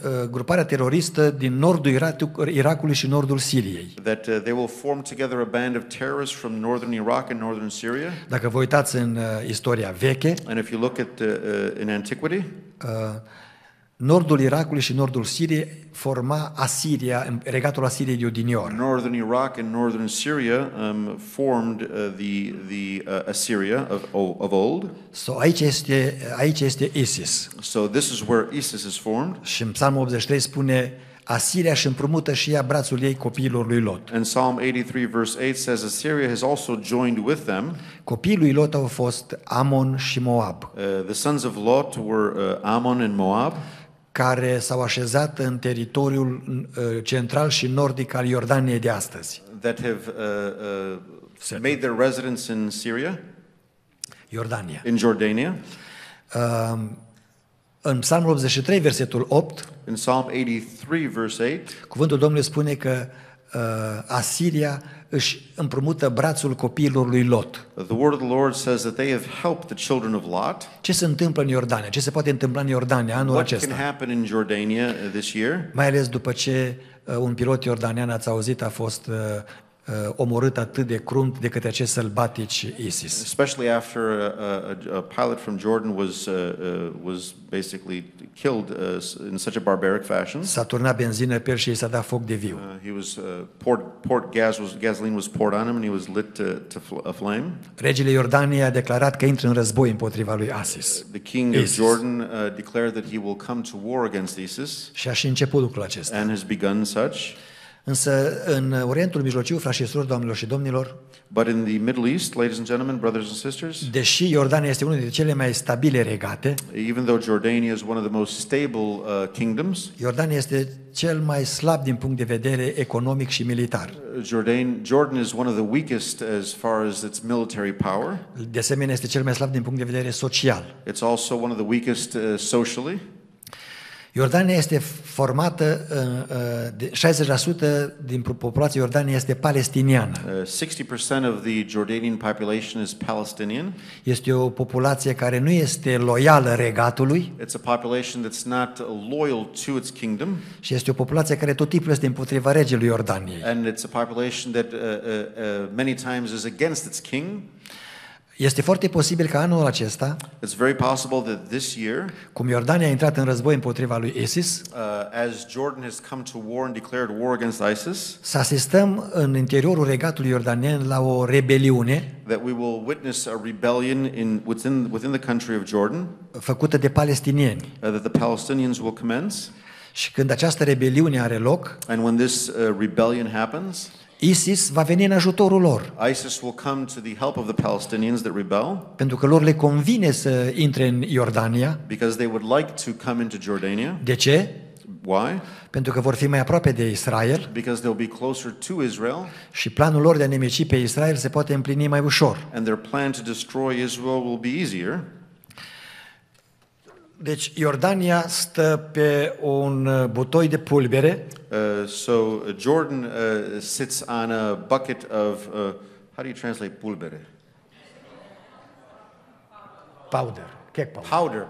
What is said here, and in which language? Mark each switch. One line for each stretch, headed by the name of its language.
Romanian: Gruparea teroristă din nordul Irakului și nordul Siriei.
English: That they will form together a band of terrorists from northern Iraq and northern Syria.
Romanian: Dacă vă uitați în istoria veche,
English: and if you look at in antiquity,
Romanian: nordul Irakului și nordul Siriei forma Asiria, regatul Asiriei de odinioară.
English: Northern Iraq and northern Syria formed the Assyria of old.
Romanian: So aici este ISIS.
English: So this is where ISIS is formed.
Romanian: Și în Psalmul 83 spune Asiria și împrumută și ea brațul ei copiilor lui Lot.
English: And Psalm 83 verse 8 says Assyria has also joined with them.
Romanian: Copiii lui Lot au fost Amon și Moab.
English: The sons of Lot were Amon and Moab.
Romanian: Care s-au așezat în teritoriul central și nordic al Iordaniei de astăzi.
English: That have made their residence in Syria?
Romanian: Iordania.
English: In Jordania?
Romanian: În Psalmul 83 versetul 8,
English: in Psalm 83 verse 8,
Romanian: cuvântul Domnului spune că Asiria își împrumută brațul copiilor lui Lot.
English: The word of the Lord says that they have helped the children of Lot.
Romanian: Ce se întâmplă în Iordania? Ce se poate întâmpla în Iordania anul
English: What
Romanian: acesta?
English: What can happen in Jordania this year?
Romanian: Mai ales după ce un pilot iordanian, ați auzit, a fost omorât atât de crunt de către acești sălbatici ISIS.
English: Especially after a pilot from Jordan was basically killed in such a barbaric fashion.
Romanian: S-a turnat benzină pe el și s-a dat foc de viu.
English: He was poured gasoline was poured on him and he was lit to a flame.
Romanian: Regele Iordaniei a declarat că intră în război împotriva lui ISIS.
English: The king of Jordan declared that he will come to war against ISIS.
Romanian: Și a și început lucrul acesta.
English: And has begun such.
Romanian: Însă în Orientul Mijlociu, frați și surori, doamnelor și domnilor,
English: but in the Middle East, ladies and gentlemen, brothers and sisters,
Romanian: deși Iordania este unul dintre cele mai stabile regate,
English: even though Jordania is one of the most stable kingdoms,
Romanian: Iordania este cel mai slab din punct de vedere economic și militar.
English: Jordan is one of the weakest as far as its military power.
Romanian: De asemenea, este cel mai slab din punct de vedere social.
English: It's also one of the weakest socially.
Romanian: Iordania este formată de 60% din populația Iordaniei este palestiniană.
English: 60% of the Jordanian population is Palestinian.
Romanian: Este o populație care nu este loială regatului.
English: It's a population that's not loyal to its kingdom.
Romanian: Și este o populație care tot timpul este împotriva regelui Iordaniei.
English: And it's a population that many times is against its king.
Romanian: Este foarte posibil ca anul acesta,
English: it's very possible that this year,
Romanian: cum Iordania a intrat în război împotriva lui ISIS,
English: as Jordan has come to war and declared war against ISIS,
Romanian: să asistăm în interiorul regatului iordanian la o rebeliune,
English: that we will witness a rebellion in within the country of Jordan,
Romanian: făcută de palestinieni,
English: that the Palestinians will commence,
Romanian: și când această rebeliune are loc,
English: and when this rebellion happens,
Romanian: ISIS va veni în ajutorul lor.
English: ISIS will come to the help of the Palestinians that rebel.
Romanian: Pentru că lor le convine să intre în Iordania.
English: Because they would like to come into Jordania.
Romanian: De ce?
English: Why?
Romanian: Pentru că vor fi mai aproape de Israel.
English: Because they'll be closer to Israel.
Romanian: Și planul lor de a nemici pe Israel se poate împlini mai ușor.
English: And their plan to destroy Israel will be easier.
Romanian: Deci Iordania stă pe un butoi de pulbere.
English: So Jordan sits on a bucket of how do you translate pulbere? Powder, cake powder.